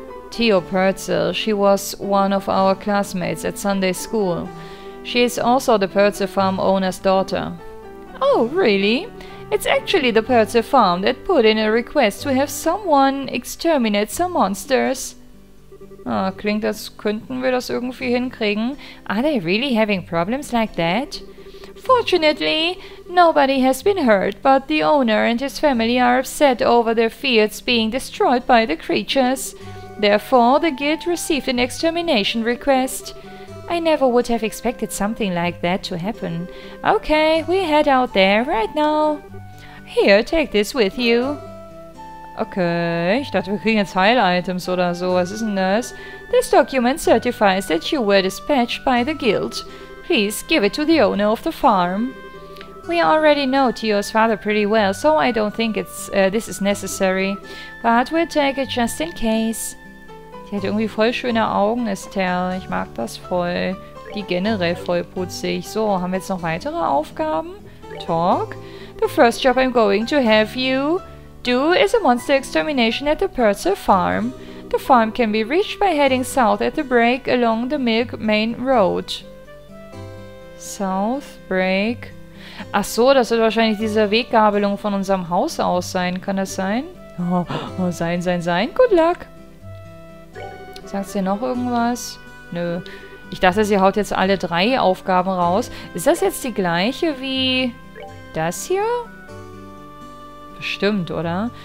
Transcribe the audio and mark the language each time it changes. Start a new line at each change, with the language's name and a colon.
English: Theo Pürzel, she was one of our classmates at Sunday school. She is also the Pürzel farm owner's daughter. Oh, really? It's actually the Pürzel farm that put in a request to have someone exterminate some monsters.
German: Ah, klingt, als könnten wir das irgendwie hinkriegen.
English: Are they really having problems like that? Fortunately, nobody has been hurt, but the owner and his family are upset over their fields being destroyed by the creatures. Therefore, the guild received an extermination request. I never would have expected something like that to happen. Okay, we head out there right now. Here, take this with you.
German: Okay, ich dachte, wir kriegen jetzt Heil-Items oder so. Was ist denn das?
English: This document certifies that you were dispatched by the guild. Please give it to the owner of the farm. We already know Theo's father pretty well, so I don't think this is necessary. But we'll take it just in case.
German: Sie hat irgendwie voll schöne Augen, Estelle. Ich mag das voll. Die generell voll putzig. So, haben wir jetzt noch weitere Aufgaben? Talk.
English: The first job I'm going to have you do is a monster extermination at the Pürzel farm. The farm can be reached by heading south at the break along the Milk Main Road. South Break.
German: Ach so, das wird wahrscheinlich diese Weggabelung von unserem Haus aus sein. Kann das sein? Oh, oh, sein, sein, sein.
English: Good luck.
German: Sagst du noch irgendwas? Nö. Ich dachte, sie haut jetzt alle drei Aufgaben raus. Ist das jetzt die gleiche wie das hier? Bestimmt, oder?